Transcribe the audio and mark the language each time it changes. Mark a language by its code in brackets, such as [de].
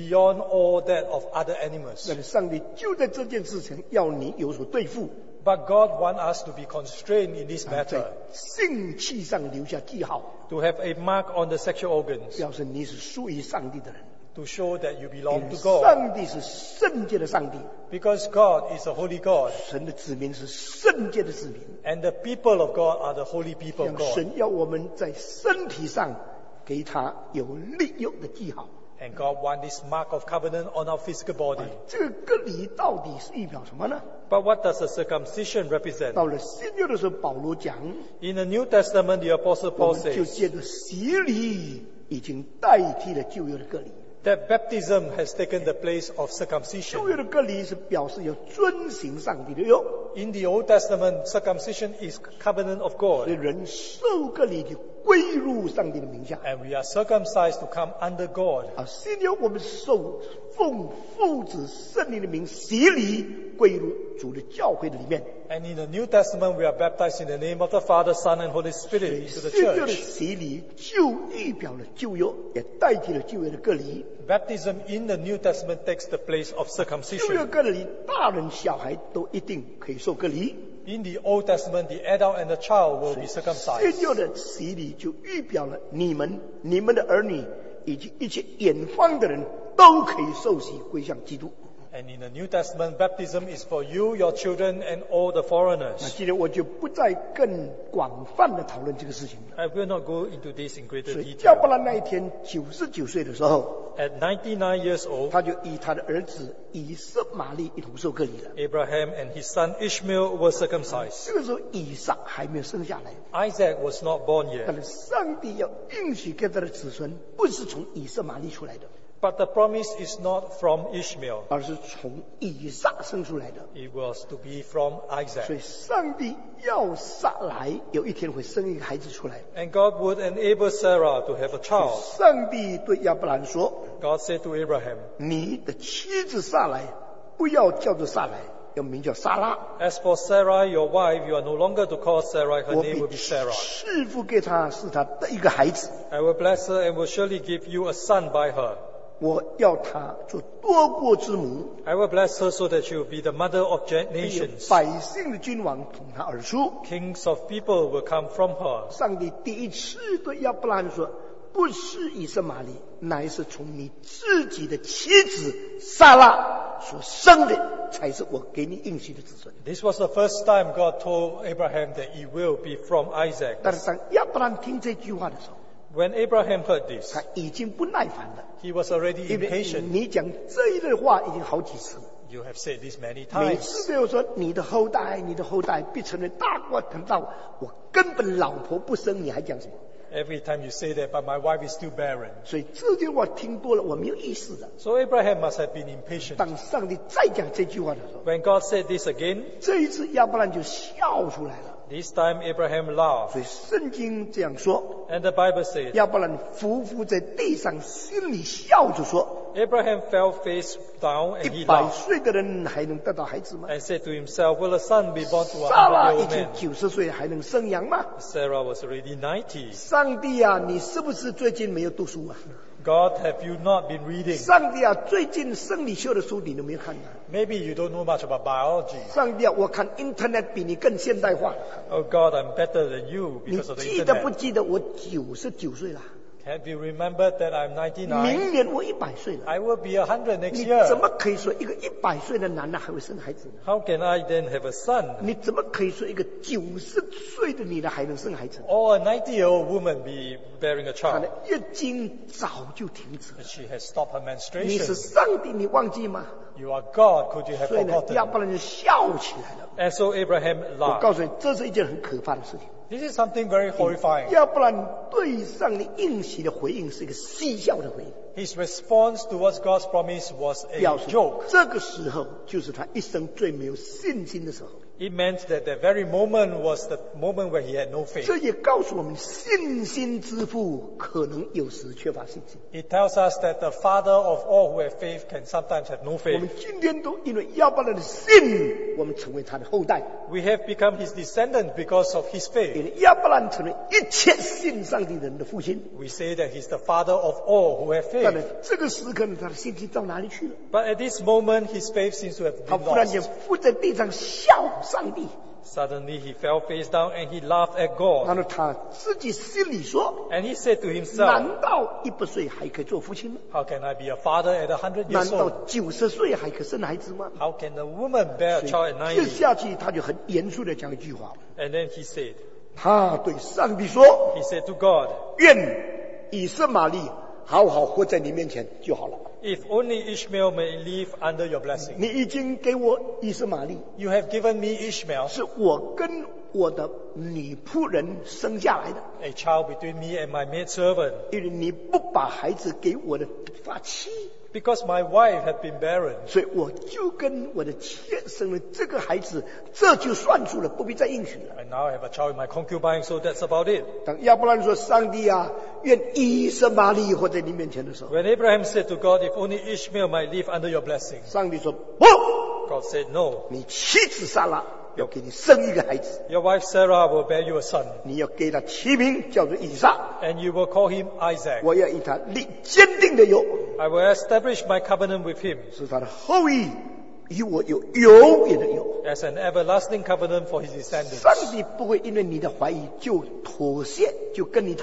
[en] Beyond all that of other animals. [zh] 但是上帝就在这件事情要你有所对付。 [en] But God wants us to be constrained in this matter. [zh] 在性器上留下记号。 [en] To have a mark on the sexual organs. [zh] 表示你是属于上帝的人。 [en] To show that you belong to God. [zh] 上帝是圣洁的上帝。 [en] Because God is a holy God. [zh] 神的子民是圣洁的子民。 [en] And the people of God are the holy people of God. [zh] 神要我们在身体上给他有立约的记号。 [en] And God wants this mark of covenant on our physical body. [zh] 这个割礼到底是预表什么呢？ [en] But what does the circumcision represent? [zh] 到了新约的时候，保罗讲。 [en] In the New Testament, the Apostle Paul says. [zh] 我们就借着洗礼已经代替了旧约的割礼。 [en] That baptism has taken the place of circumcision. [zh] 旧约的割礼是表示要遵行上帝的约。 [en] In the Old Testament, circumcision is covenant of God. [zh] 所以人受割礼就归入上帝的名下。 [en] And we are circumcised to come under God. [zh] 啊，新约我们受奉父子圣灵的名洗礼，归入主的教会的里面。 [en] And in the New Testament, we are baptized in the name of the Father, Son, and Holy Spirit into the church. [zh] 新约的洗礼就预表了旧约，也代替了旧约的割礼。 [en] Baptism in the New Testament takes the place of circumcision. [zh] 旧约割礼，大人小孩都一定可以受割礼。 [en] In the Old Testament, the adult and the child will be circumcised. [zh] 新约的洗礼就预表了你们、你们的儿女以及一切远方的人都可以受洗归向基督。 [en] And in the New Testament, baptism is for you, your children, and all the foreigners. [zh] 今天我就不再更广泛的讨论这个事情。 [en] I will not go into this in greater detail. [zh] 亚伯拉那一天99岁的时候 [en] ，at 99 years old， [zh] 他就以他的儿子以撒玛利一同受割礼了。 [en] Abraham and his son Ishmael were circumcised. [zh] 这个时候以撒还没有生下来。 [en] Isaac was not born yet. [zh] 但是上帝要应许给他的子孙，不是从以撒玛利出来的。 [en] But the promise is not from Ishmael. [zh] 而是从以撒生出来的。 [en] It was to be from Isaac. [zh] 所以上帝要撒来有一天会生一个孩子出来。 [en] And God would enable Sarah to have a child. [zh] 上帝对亚伯兰说。 [en] God said to Abraham. [zh] 你的妻子撒来不要叫做撒来要名叫撒拉。 [en] As for Sarah, your wife, you are no longer to call Sarah. Her name will be Sarah. [zh] 我必赐福给她是她的一个孩子。 [en] I will bless her and will surely give you a son by her. [zh] 我要她做多国之母。 [en] I will bless her so that she will be the mother of nations. [zh] 百姓的君王从她而出。 [en] Kings of people will come from her. [zh] 上帝第一次对亚伯兰说，不是以撒玛利，乃是从你自己的妻子撒拉所生的，才是我给你应许的子孙。 [en] This was the first time God told Abraham that he will be from Isaac. [zh] 但是当亚伯兰听这句话的时候。 [en] When Abraham heard this, [zh] 他已经不耐烦了。 [en] He was already impatient. [zh] 你讲这一类话已经好几次。 [en] You have said this many times. [zh] 每次都有说你的后代，你的后代必成为大国强盗。我根本老婆不生，你还讲什么？ [en] Every time you say that, but my wife is still barren. [zh] 所以这句话听多了，我没有意思的。 [en] So Abraham must have been impatient. [zh] 当上帝再讲这句话的时候 [en] ，When God said this again, [zh] 这一次亚伯兰就笑出来了。 [en] This time Abraham laughed. [zh] 所以圣经这样说。 [en] And the Bible says, [zh] 亚伯兰匍匐在地上，心里笑着说。 [en] Abraham fell face down and he laughed. [zh] 100岁的人还能得到孩子吗 [en] ？And said to himself, Will a son be born to a 100 year old man? [zh] 撒拉已经90岁还能生羊吗 [en] ？Sarah was already 90. [zh] 上帝啊，你是不是最近没有读书啊？ [en] God, have you not been reading? [zh] 上帝啊，最近生理学的书你都没有看啊。 [en] Maybe you don't know much about biology. [zh] 上帝啊，我看 internet 比你更现代化。 [en] Oh God, I'm better than you because of the internet. [zh] 你记得不记得我99岁了 [en] ？Have you remembered that I'm 99? [zh] 明年我100岁了。 [en] I will be 100 next year. [zh] 你怎么可以说一个100岁的男的还会生孩子呢 [en] ？How can I then have a son? [zh] 你怎么可以说一个90岁的女的还能生孩子 [en] ？Or a 90-year-old woman be bearing a child? [zh] 她的月经早就停止了。 [en] She has stopped her menstruation. [zh] 你是上帝，你忘记吗？ [en] You are God, could you have forgotten? [zh] 所以呢，亚伯兰就笑起来了。 [en] And so Abraham laughed. [zh] 我告诉你，这是一件很可怕的事情。 [en] This is something very horrifying. [zh] 亚伯兰对上帝应许的回应是一个嬉笑的回应。 [en] His response towards God's promise was a joke. [zh] 这个时候就是他一生最没有信心的时候。 [en] It meant that the very moment was the moment where he had no faith. [zh] 这也告诉我们，信心之父可能有时缺乏信心。 [en] It tells us that the father of all who have faith can sometimes have no faith. [zh] 我们今天都因为亚伯兰的信，我们成为他的后代。 [en] We have become his descendant because of his faith. [zh] 因为亚伯兰成为一切信上帝人的父亲。 [en] We say that he's the father of all who have faith. [zh] 但是这个时刻呢，他的信心到哪里去了？ [en] But at this moment, his faith seems to have been lost. [zh] 他忽然间伏在地上笑。上帝。 [en] Suddenly he fell face down and he laughed at God. [zh] 然后他自己心里说， [en] and he said to himself, [zh] 难道一百岁还可以做父亲吗？ [en] How can I be a father at 100 years old? [zh] 难道九十岁还可生孩子吗？ [en] How can a woman bear a child at 90? [zh] 接下去他就很严肃地讲一句话。 [en] And then he said, [zh] 他对上帝说， [en] he said to God, [zh] 愿以色玛利好好活在你面前就好了。 [en] If only Ishmael may live under your blessing. [zh] 你已经给我以色玛利。 [en] You have given me Ishmael. [zh] 是我跟我的女仆人生下来的。 [en] A child between me and my maidservant. [zh] 因为你不把孩子给我的发妻。 [en] Because my wife had been barren. [zh] 所以我就跟我的妻生了这个孩子，这就算数了，不必再应许了。 [en] And now I have a child in my concubine, so that's about it. [zh] 当亚伯兰说，上帝啊，愿以色玛利活在你面前的时候。 [en] When Abraham said to God, if only Ishmael might live under your blessing. [zh] 上帝说，不。 [en] God said no. [zh] 你妻子撒拉要给你生一个孩子。 [en] Your wife Sarah will bear you a son. [zh] 你要给他起名叫做以撒。 [en] And you will call him Isaac. [zh] 我要与他立坚定的约。 [en] I will establish my covenant with him. [zh] 是他的后裔，与我有永远的约。 [en] As an everlasting covenant for his descendants. [zh] 上帝不会因为你的怀疑就妥协，就跟你讨。